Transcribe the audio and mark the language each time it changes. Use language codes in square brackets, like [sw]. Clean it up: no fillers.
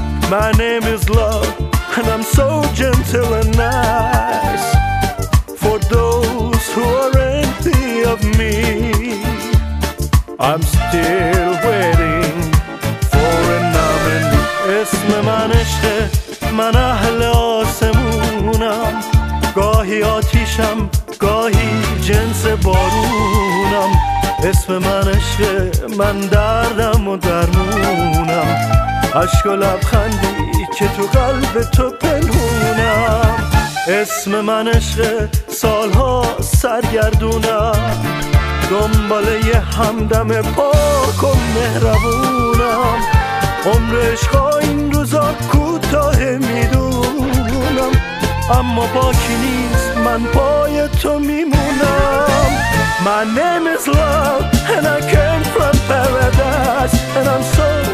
[en] My name is love, and I'm so gentle and nice. For those who are empty of me, I'm still waiting for a nominee. [fa] اسم من عشقه، من اهل آسمونم. گاهی آتیشم، گاهی جنس بارونم. اسم من عشقه، من دردم و درمونم. عشق و لبخندی که تو قلب تو پنهونم. اسم من عشق سالها سرگردونم. دنباله یه همدم پاک و مهربونم. عمر عشقا این روزا کوتاه میدونم. اما باکی نیست، من پای تو میمونم. [en] My name is love and I came from paradise and I'm so